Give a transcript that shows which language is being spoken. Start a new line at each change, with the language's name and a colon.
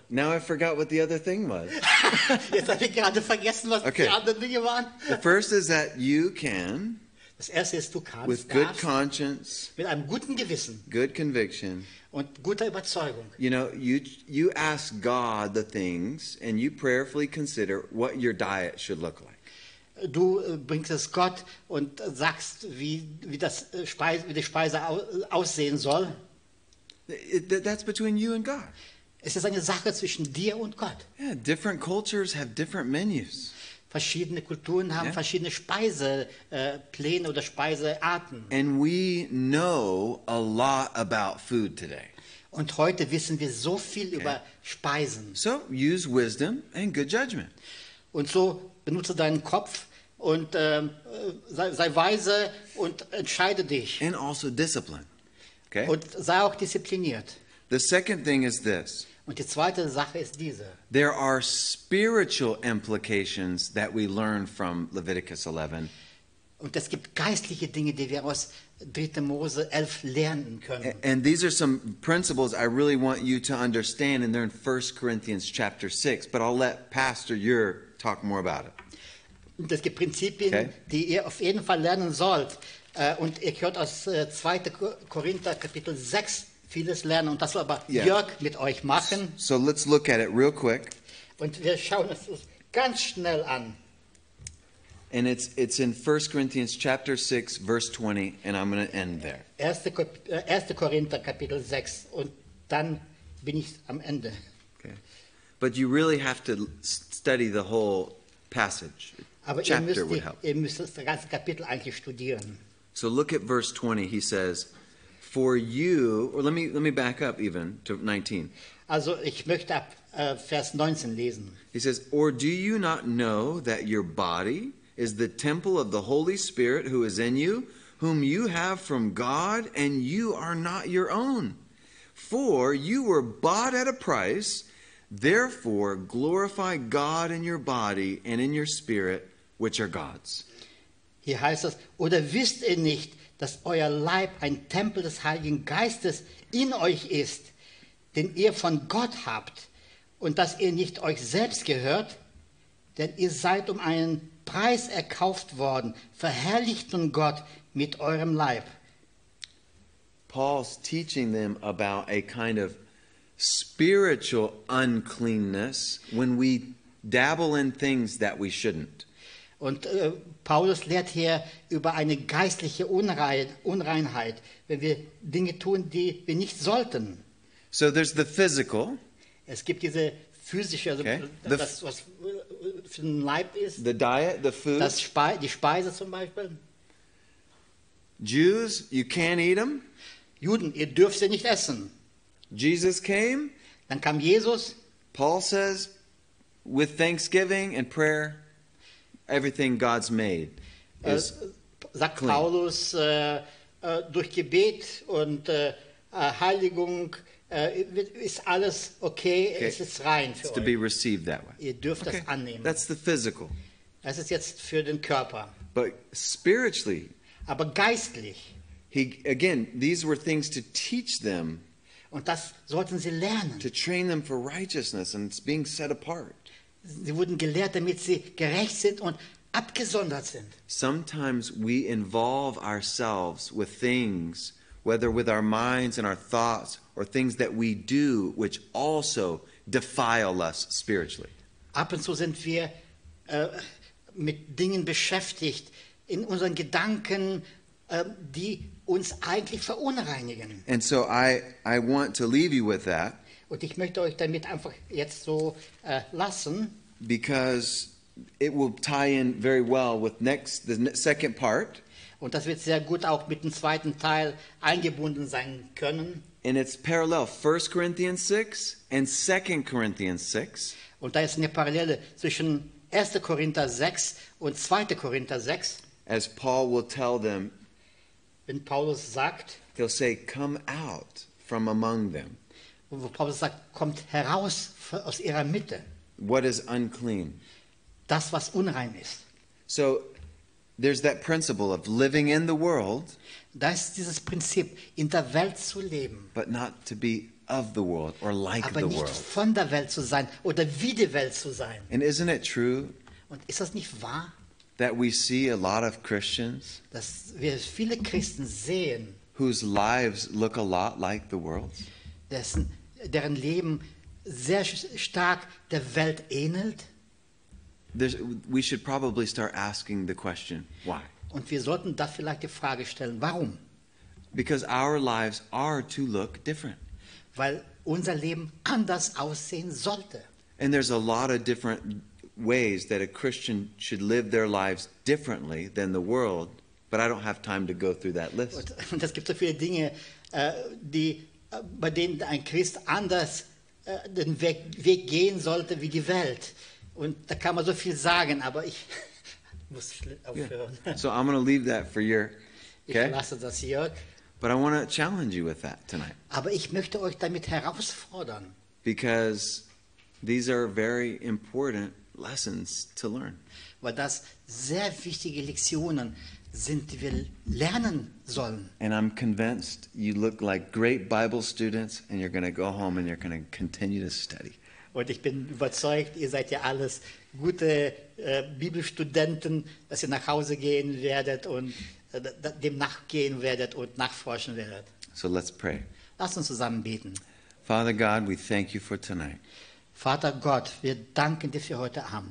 English: Now I forgot what the other thing was.
German: Jetzt habe ich gerade vergessen, was die anderen Dinge waren.
English: The first is that you can.
German: Das erste ist, du kannst.
English: With good conscience.
German: Mit einem guten Gewissen.
English: Good conviction.
German: Und guter Überzeugung.
English: You know, you ask God the things, and you prayerfully consider what your diet should look like.
German: Du bringst es Gott und sagst, wie die Speise aussehen soll.
English: That's between you and God.
German: Es ist eine Sache zwischen dir und Gott.
English: Yeah, different cultures have different menus.
German: Verschiedene Kulturen haben verschiedene Speisepläne oder Speisearten.
English: And we know a lot about food today.
German: Und heute wissen wir so viel über Speisen.
English: So use wisdom and good judgment.
German: Und so benutze deinen Kopf. Und sei weise und entscheide dich.
English: And also discipline. Okay?
German: Und sei auch diszipliniert.
English: The second thing is this.
German: Und die zweite Sache ist diese.
English: There are spiritual implications that we learn from Leviticus 11.
German: Und es gibt geistliche Dinge, die wir aus 3. Mose 11 lernen können.
English: And these are some principles I really want you to understand, and they're in 1 Corinthians chapter 6. But I'll let Pastor Yur talk more about it.
German: Und es gibt Prinzipien, die ihr auf jeden Fall lernen sollt. Und ihr könnt aus 2. Korinther Kapitel 6 vieles lernen. Und das soll aber Jörg mit euch machen.
English: So let's look at it real quick.
German: Und wir schauen es uns ganz schnell an.
English: And it's in 1. Corinthians chapter 6, verse 20, and I'm going to end there.
German: 1. Korinther Kapitel 6, und dann bin ich am Ende.
English: Okay. But you really have to study the whole passage.
German: Aber
English: chapter would help.
German: Ihr müsst das ganze Kapitel eigentlich studieren.
English: So look at verse 20. He says, "For you," or let me back up even to 19.
German: Also ich möchte ab Vers 19 lesen.
English: He says, "Or do you not know that your body is the temple of the Holy Spirit who is in you, whom you have from God, and you are not your own? For you were bought at a price. Therefore glorify God in your body and in your spirit, which are God's."
German: Hier heißt es, oder wisst ihr nicht, dass euer Leib ein Tempel des Heiligen Geistes in euch ist, den ihr von Gott habt, und dass ihr nicht euch selbst gehört? Denn ihr seid um einen Preis erkauft worden. Verherrlicht nun Gott mit eurem Leib.
English: Paul's teaching them about a kind of spiritual uncleanness when we dabble in things that we shouldn't.
German: Und Paulus lehrt hier über eine geistliche Unreinheit, wenn wir Dinge tun, die wir nicht sollten.
English: So there's the physical.
German: Es gibt diese physische, also okay. Das, was für den Leib ist.
English: The diet, the food.
German: Die Speise zum Beispiel.
English: Jews, you can't eat them.
German: Juden, ihr dürft sie nicht essen.
English: Jesus came.
German: Dann kam Jesus.
English: Paul says, with thanksgiving and prayer, everything God's made is
German: sagt
English: clean.
German: Paulus, durch Gebet und Heiligung ist alles okay. Es ist rein für
English: it's
German: euch.
English: To be received that way.
German: Ihr dürft okay. Das annehmen.
English: That's the physical.
German: Das ist jetzt für den Körper.
English: But spiritually.
German: Aber geistlich.
English: He again, these were things to teach them.
German: Und das sollten sie lernen.
English: To train them for righteousness and it's being set apart.
German: Sie wurden gelehrt, damit sie gerecht sind und abgesondert sind.
English: Sometimes we involve ourselves with things, whether with our minds and our thoughts or things that we do, which also defile us spiritually.
German: Ab und zu sind wir mit Dingen beschäftigt, in unseren Gedanken, die uns eigentlich verunreinigen.
English: And so I want to leave you with that.
German: Und ich möchte euch damit einfach jetzt so lassen.
English: Because it will tie in very well with the second part.
German: Und das wird sehr gut auch mit dem zweiten Teil eingebunden sein können.
English: And it's parallel 1 Corinthians 6 and 2 Corinthians 6.
German: Und da ist eine Parallele zwischen 1. Korinther 6 und 2. Korinther 6.
English: As Paul will tell them,
German: wenn Paulus sagt,
English: he'll say, "Come out from among them."
German: Wo Paulus sagt, kommt heraus aus ihrer Mitte.
English: What is unclean?
German: Das, was unrein ist.
English: So, there's that principle of living in the world.
German: Da ist dieses Prinzip, in der Welt zu leben.
English: But not to be of the world or like
German: aber
English: the world.
German: Aber nicht von der Welt zu sein oder wie die Welt zu sein.
English: And isn't it true?
German: Und ist das nicht wahr?
English: That we see a lot of Christians,
German: dass wir viele Christen sehen,
English: whose lives look a lot like the world's,
German: deren Leben sehr stark der Welt ähnelt.
English: We should probably start asking the question, why?
German: Und wir sollten da vielleicht die Frage stellen, warum?
English: Because our lives are to look different.
German: Weil unser Leben anders aussehen sollte.
English: And there's a lot of different ways that a Christian should live their lives differently than the world, but I don't have time to go through that list.
German: Und es gibt so viele Dinge, die bei denen ein Christ anders den Weg gehen sollte wie die Welt. Und da kann man so viel sagen, aber ich muss aufhören.
English: Yeah. So I'm going to leave that for your. Okay?
German: Ich lasse das hier.
English: But I want to challenge you with that tonight.
German: Aber ich möchte euch damit herausfordern.
English: Because these are very important lessons to learn.
German: Weil das sehr wichtige Lektionen sind, die wir lernen sollen.
English: And I'm convinced you look like great Bible students and you're going to go home and you're going to continue to study.
German: Und ich bin überzeugt, ihr seid ja alles gute Bibelstudenten, dass ihr nach Hause gehen werdet und dem nachgehen werdet und nachforschen werdet.
English: So let's pray.
German: Lasst uns zusammen beten.
English: Father God, we thank you for tonight.
German: Vater Gott, wir danken dir für heute Abend.